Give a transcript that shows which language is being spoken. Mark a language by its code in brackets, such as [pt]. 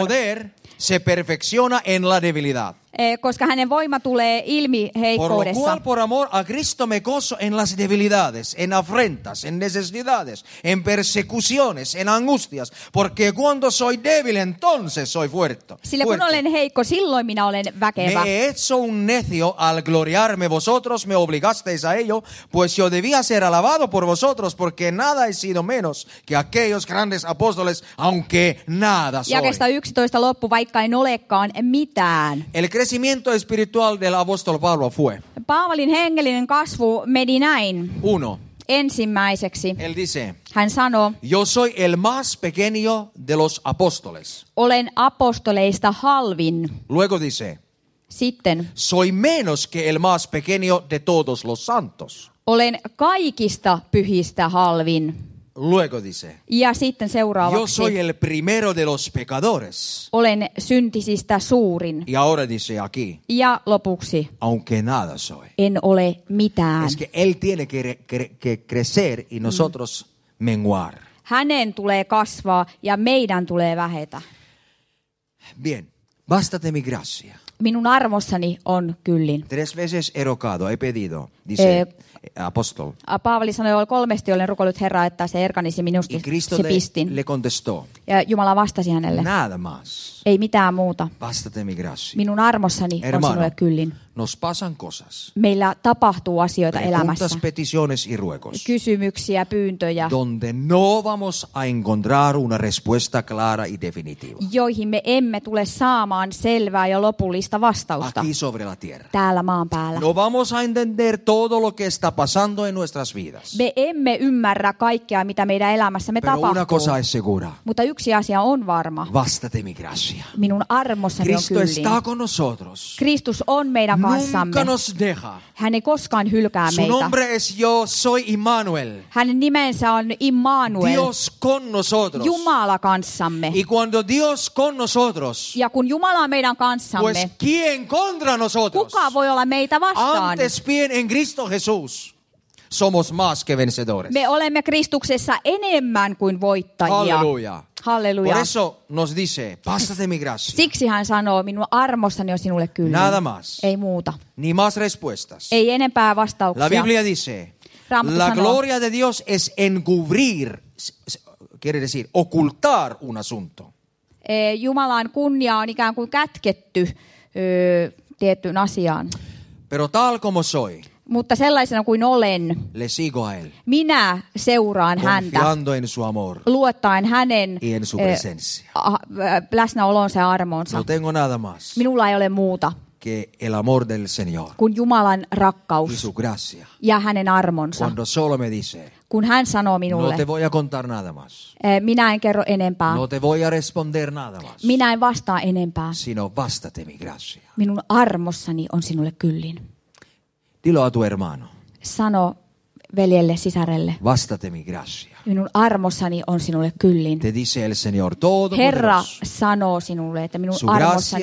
[es] Su poder se perfecciona en la debilidad. [fi] Koska hänen voima tulee ilmi heikkoudessa. [es] Por lo cual, por amor a Cristo me gozo en las debilidades, en afrentas, en necesidades, en persecuciones, en angustias. Porque cuando soy débil, entonces soy fuerte. [fi] Sillä kun olen heikko, silloin minä olen väkevä. [es] Me he hecho un necio al gloriarme vosotros, me obligasteis a ello, pues yo debía ser alabado por vosotros, porque nada he sido menos que aquellos grandes apóstoles, aunque nada soy. [fi] Jakesta 11 loppu, vaikka en olekaan mitään. [es] El crecimiento espiritual del apóstol Pablo fue. [fi] Paavalin hengellinen kasvu meni näin. [es] Uno. [fi] Ensimmäiseksi. [es] Él dice. [fi] Hän sanoo. [es] Yo soy el más pequeño de los apóstoles. [fi] Olen apostoleista halvin. [es] Luego dice. [fi] Sitten. [es] Soy menos que el más pequeño de todos los santos. [fi] Olen kaikista pyhistä halvin. [es] Luego dice. [fi] Ja sitten seuraavaksi. [es] Yo soy el primero de los pecadores. [fi] Olen syntisistä suurin. [es] Y ahora dice aquí. [fi] Ja lopuksi. [es] Aunque nada soy. [fi] En ole mitään. [es] Es que él tiene que crecer y nosotros menguar. [fi] Hänen tulee kasvaa ja meidän tulee vähetä. [es] Bien. Bástate mi gracia. [fi] Minun armossani on kyllin. [es] Tres veces he rogado, he pedido, dice. Apostol. [fi] Paavali sanoi, että kolmesti olen rukoillut Herraa, että se erkanisi minusta se pistin. [es] Le contestó. [fi] Ja Jumala vastasi hänelle. [es] Nada más. [fi] Ei mitään muuta. [es] Bástate mi gracia. [fi] Minun armossani [es] Hermano, [fi] on sinulle kyllin. [es] Nos pasan cosas. [fi] Meillä tapahtuu asioita [es] Preguntas, [fi] elämässä. [es] Peticiones y ruegos. [fi] Kysymyksiä, pyyntöjä. [es] Donde no vamos a encontrar una respuesta clara y definitiva. [fi] Joihin me emme tule saamaan selvää ja lopullista vastausta. [es] Aquí sobre la tierra. [fi] Täällä maan päällä. [es] No vamos a entender todo lo que está pasando en nuestras vidas. [fi] Me emme ymmärrä kaikkea, mitä meidän elämässämme [es] Pero [fi] tapahtuu. [es] Una cosa es segura. [fi] Mutta yksi asia on varma. [es] Bástate mi gracia. [fi] Minun armossani [es] Cristo [fi] on kyllin. [es] Está con nosotros. [fi] Kristus on meidän [es] Nunca nos deja. [fi] Hän ei koskaan hylkää [es] Su [fi] meitä. [es] Su nombre es yo soy Immanuel. [fi] Hänen nimensä on Immanuel. [es] Dios con nosotros. [fi] Jumala kanssamme. [es] Y cuando Dios con nosotros. [fi] Ja kun Jumala on meidän kanssamme. [es] Pues quién contra nosotros. [fi] Kuka voi olla meitä vastaan. [es] Antes bien en Cristo Jesús. Somos más que vencedores. [fi] Me olemme Kristuksessa enemmän kuin voittajia. Halleluja. Halleluja. [es] Por eso nos dice, bástate mi gracia. [fi] Siksi hän sanoo, minun armossani on sinulle kyllä. [es] Nada más. [fi] Ei muuta. [es] Ni más respuestas. [fi] Ei enempää vastauksia. [es] La Biblia dice, [fi] Raamattu [es] la [fi] sanoo, [es] gloria de Dios es encubrir, quiere decir, ocultar un asunto. [fi] Jumalan kunnia on ikään kuin kätketty tiettyyn asiaan. [es] Pero tal como soy. [fi] Mutta sellaisena kuin olen, [es] Le sigo a él. [fi] Minä seuraan [es] Confiando [fi] häntä, [es] en su amor. [fi] Luottaen hänen [es] en su presencia. [fi] Läsnäolonsa ja armoonsa. [es] No tengo nada más. [fi] Minulla ei ole muuta [es] que el amor del Señor. [fi] Kun Jumalan rakkaus [es] y su gracia. [fi] Ja hänen armonsa. [es] Cuando solo me dice, [fi] kun hän sanoo minulle, [es] no te voy a contar nada más. [fi] Minä en kerro enempää. [es] No te voy a responder nada más. [fi] Minä en vastaa enempää. [es] Sino bástate mi gracia. [fi] Minun armossani on sinulle kyllin. [es] Dilo a tu hermano. [fi] Sano veljelle, sisarelle. [es] Vástate mi gracia. [fi] Minun armossani on sinulle kyllin. [es] Te dice el Señor todo [fi] Herra sanoo sinulle, että minun [es] su [fi] armossani.